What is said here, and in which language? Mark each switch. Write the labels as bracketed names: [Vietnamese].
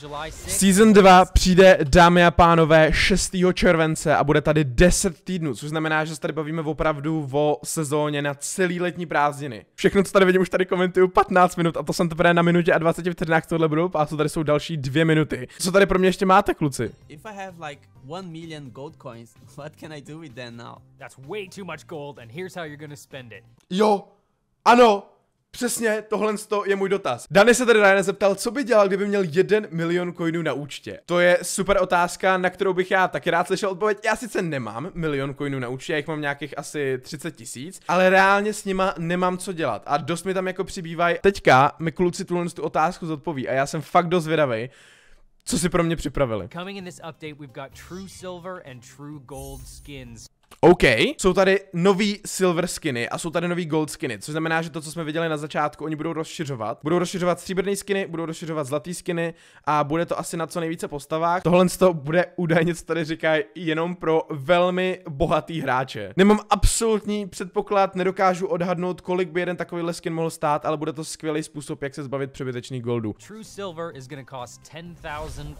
[Czech] Season 2 přijde, dámy a pánové, 6. července a bude tady 10 týdnů, což znamená, že se tady bavíme opravdu o sezóně na celý letní prázdniny. Všechno, co tady vidím, už tady komentuju 15 minut a to jsem teprve na minutě a 20 vteřinách tohle budou a to tady jsou další 2 minuty. Co tady pro mě ještě máte, kluci? [English] If I have like 1 million gold coins, what can I do with them now? That's way too much gold and here's how you're gonna spend it. [Czech] Jo, ano. Přesně, tohle je můj dotaz. Danny se tady Ryana zeptal, co by dělal, kdyby měl 1 milion coinů na účtě. To je super otázka, na kterou bych já taky rád slyšel odpověď. Já sice nemám 1 milion coinů na účtě, já jich mám nějakých asi 30 tisíc, ale reálně s nima nemám co dělat. A dost mi tam jako přibývají. Teďka mi kluci tuhle otázku zodpoví a já jsem fakt dost zvědavý, co si pro mě připravili. [English] Coming in this update, we've got true silver and true gold skins. [Czech] OK, jsou tady nový silver skiny a jsou tady nový gold skiny, což znamená, že to, co jsme viděli na začátku, oni budou rozšiřovat. Budou rozšiřovat stříbrné skiny, budou rozšiřovat zlatý skiny a bude to asi na co nejvíce postavách. Tohle to bude údajně, co tady říkají, jenom pro velmi bohatý hráče. Nemám absolutní předpoklad, nedokážu odhadnout, kolik by jeden takovýhle skin mohl stát, ale bude to skvělý způsob, jak se zbavit přebytečných goldů. [English] True silver is gonna cost 10,000